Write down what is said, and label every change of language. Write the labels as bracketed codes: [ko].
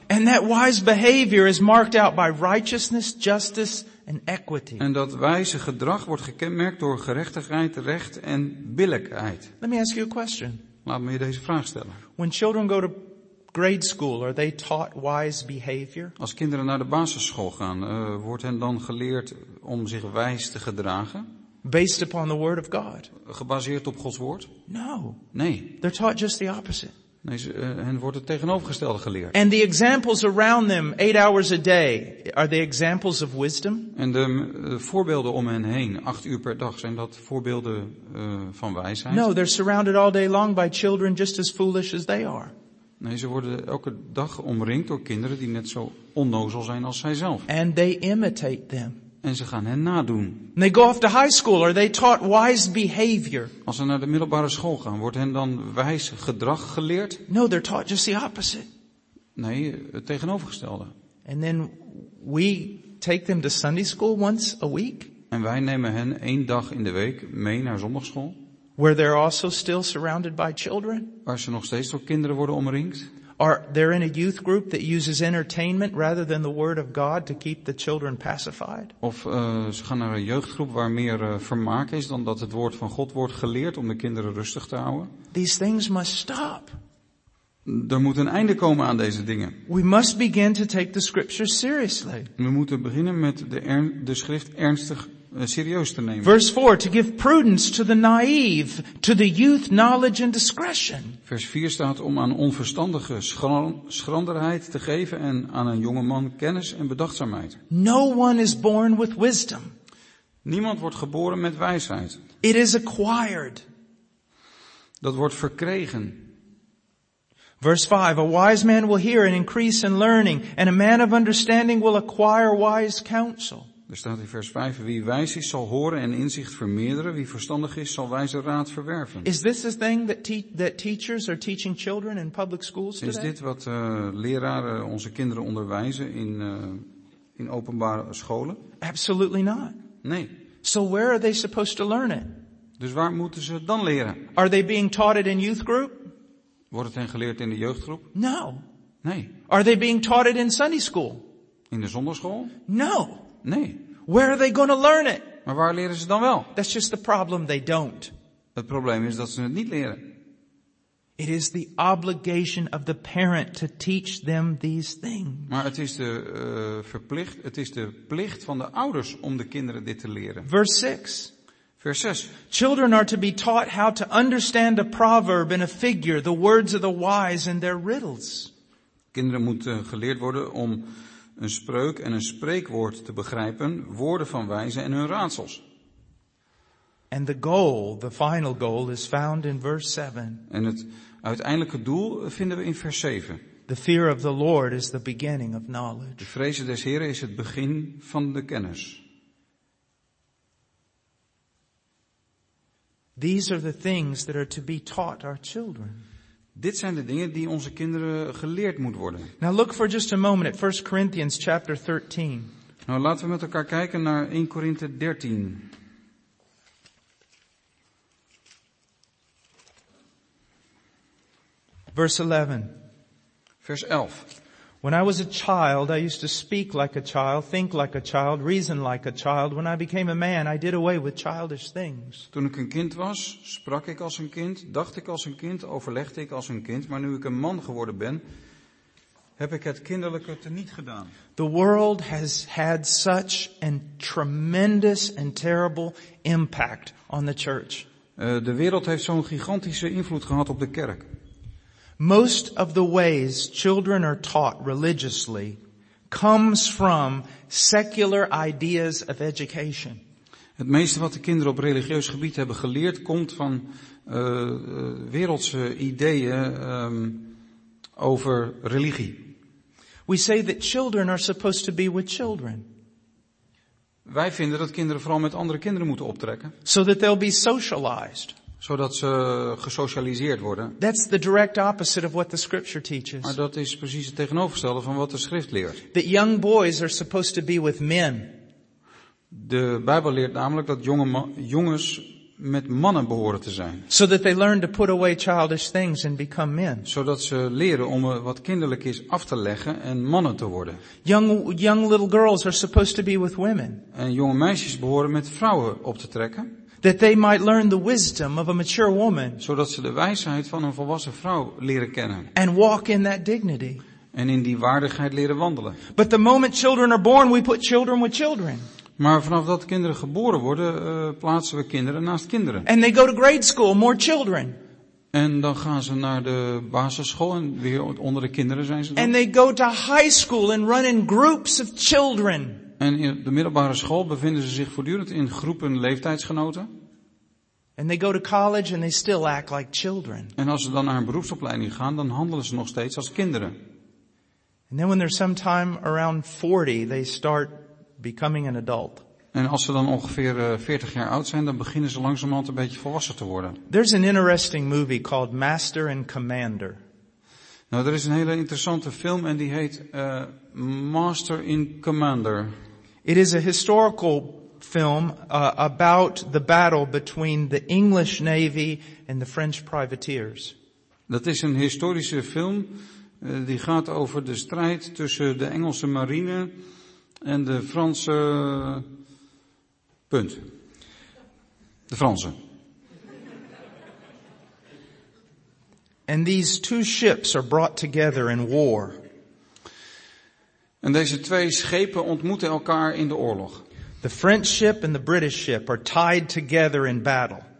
[en] And that wise behavior is marked out by righteousness, justice and equity. [nl] En dat wijze gedrag wordt gekenmerkt door gerechtigheid, recht en billijkheid. [en] Let me ask you a question. [nl] Laat me je deze vraag stellen. [en] When children go to grade school, are they taught wise behavior? [nl] Als kinderen naar de basisschool gaan, wordt hen dan geleerd om zich wijs te gedragen? [en] Based upon the word of God. [nl] Gebaseerd op Gods woord? [en] No. [nl] Nee. [en] They're taught just the opposite. [nl] Nee, hen wordt het tegenovergestelde geleerd. [en] And the examples around them, 8 hours a day, are they examples of wisdom? [nl] En de voorbeelden om hen heen, 8 uur per dag, zijn dat voorbeelden van wijsheid? [en] No, they're surrounded all day long by children just as foolish as they are. [nl] Nee, ze worden elke dag omringd door kinderen die net zo onnozel zijn als zij zelf. [en] And they imitate them. [nl] En ze gaan hen nadoen. [en] And they go off to high school, are they taught wise behavior? [nl] Als ze naar de middelbare school gaan, wordt hen dan wijs gedrag geleerd? [en] No, they're taught just the opposite. [nl] Nee, het tegenovergestelde. [en] And then we take them to Sunday school once a week. [nl] En wij nemen hen 1 dag in de week mee naar zondagschool. [en] Where they're also still surrounded by children. [nl] Waar ze nog steeds door kinderen worden omringd. [en] Are they in a youth group that uses entertainment rather than the word of God to keep the children pacified? [nl] Of ze gaan naar een jeugdgroep waar meer vermaak is dan dat het woord van God wordt geleerd om de kinderen rustig te houden? [en] These things must stop. [nl] Er moet een einde komen aan deze dingen. [en] We must begin to take the scriptures seriously. [nl] We moeten beginnen met de schrift ernstig serieus te nemen. [en] Verse 4, to give prudence to the naive, to the youth knowledge and discretion. [nl] Vers 4 staat om aan onverstandige schranderheid te geven en aan een jonge man kennis en bedachtzaamheid. [en] No one is born with wisdom. [nl] Niemand wordt geboren met wijsheid. [en] It is acquired. [nl] Dat wordt verkregen. [en] Verse 5, a wise man will hear and increase in learning, and a man of understanding will acquire wise counsel. [nl] Er staat in vers 5, wie wijs is zal horen en inzicht vermeerderen, wie verstandig is zal wijze raad verwerven. [en] Is this a thing that that teachers are teaching children in public schools today? [nl] Is dit wat leraren onze kinderen onderwijzen in openbare scholen? [en] Absolutely not. [nl] Nee. [en] So where are they supposed to learn it? [nl] Dus waar moeten ze het dan leren? [en] Are they being taught it in youth group? [nl] Wordt het hen geleerd in de jeugdgroep? [en] No. [nl] Nee. [en] Are they being taught it in Sunday school? [nl] In de zondagschool? [en] No. [nl] Nee. [en] Where are they going to learn it? [nl] Maar waar leren ze dan wel? [en] That's just the problem, they don't. [nl] Het probleem is dat ze het niet leren. [en] It is the obligation of the parent to teach them these things. [nl] Maar het is de plicht van de ouders om de kinderen dit te leren. [en] Verse 6. [nl] Vers 6. [en] Children are to be taught how to understand a proverb and a figure, the words of the wise and their riddles. [nl] Kinderen moeten geleerd worden om een spreuk en een spreekwoord te begrijpen, woorden van wijze en hun raadsels. [en] And the goal, the final goal is found in verse 7. [nl] En het uiteindelijke doel vinden we in vers 7. [en] The fear of the Lord is the beginning of knowledge. [nl] De vrezen des Heren is het begin van de kennis. [en] These are the things that are to be taught our children. [nl] Dit zijn de dingen die onze kinderen geleerd moet worden. [en] Now look for just a moment at 1 Corinthians chapter 13. [nl] Nou laten we met elkaar kijken naar 1 Korinthe 13. [en] Verse 11. [nl] Vers 11. [en] When I was a child, I used to speak like a child, think like a child, reason like a child. When I became a man, I did away with childish things. [nl] Toen ik een kind was, sprak ik als een kind, dacht ik als een kind, overlegde ik als een kind. Maar nu ik een man geworden ben, heb ik het kinderlijke teniet gedaan. [en] The world has had such a tremendous and terrible impact on the church. [nl] De wereld heeft zo'n gigantische invloed gehad op de kerk. [en] Most of the ways children are taught religiously comes from secular ideas of education. [nl] Het meeste wat de kinderen op religieus gebied hebben geleerd komt van wereldse ideeën over religie. [en] We say that children are supposed to be with children. [nl] Wij vinden dat kinderen vooral met andere kinderen moeten optrekken. [en] So that they'll be socialized. [nl] Zodat ze gesocialiseerd worden. [en] That's the direct opposite of what the scripture teaches. [nl] Maar dat is precies het tegenovergestelde van wat de schrift leert. [en] That young boys are supposed to be with men. [nl] De Bijbel leert namelijk dat jongens met mannen behoren te zijn. [en] So that they learn to put away childish things and become men. [nl] Zodat ze leren om wat kinderlijk is af te leggen en mannen te worden. [en] Young little girls are supposed to be with women. [nl] En jonge meisjes behoren met vrouwen op te trekken. [en] That they might learn the wisdom of a mature woman. [nl] Zodat ze de wijsheid van een volwassen vrouw leren kennen. [en] And walk in that dignity. [nl] En in die waardigheid leren wandelen. [en] But the moment children are born, we put children with children. [nl] Maar vanaf dat kinderen geboren worden, plaatsen we kinderen naast kinderen. [en] And they go to grade school, more children. [nl] En dan gaan ze naar de basisschool en weer onder de kinderen zijn ze dan. [en] And they go to high school and run in groups of children. [nl] En in de middelbare school bevinden ze zich voortdurend in groepen leeftijdsgenoten. [en] And they go to college and they still act like children. [nl] En als ze dan naar een beroepsopleiding gaan, dan handelen ze nog steeds als kinderen. [en] And then when they're sometime around 40, they start becoming an adult. [nl] En als ze dan ongeveer 40 jaar oud zijn, dan beginnen ze langzamerhand een beetje volwassen te worden. [en] There's an interesting movie called Master and Commander. [nl] Nou, er is een hele interessante film en die heet Master in Commander. [en] It is a historical film about the battle between the English Navy and the French privateers. [nl] Dat is een historische film die gaat over de strijd tussen de Engelse marine en de Franse punt. De Franse. [en] And these two ships are brought together in war. [nl] En deze twee schepen ontmoeten elkaar in de oorlog. [en] The French ship and the British ship are tied together in battle.